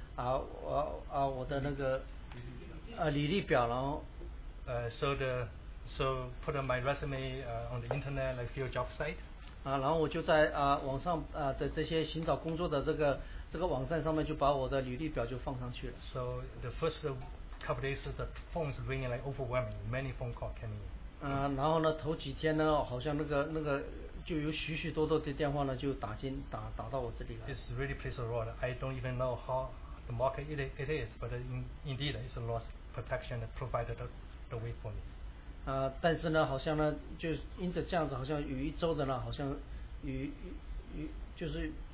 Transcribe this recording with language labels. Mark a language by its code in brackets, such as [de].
[zh] 我的那个履历表，然后 [en] so put my resume on the internet like few job site. [zh] 然后我就在网上的这些寻找工作的这个网站上面就把我的履历表就放上去了。 [en] So the first couple days the phone is ringing like overwhelming, many phone calls came in. [zh] 然后呢，头几天呢，好像那个。就有许许多多的电话呢，就打到我这里来。 [en] It's really praise the Lord. I don't even know how the market it is, but indeed it's the Lord's protection that provided the way for me. [zh] 但是呢，好像呢，就因着这样子，好像有一周的呢，好像有就是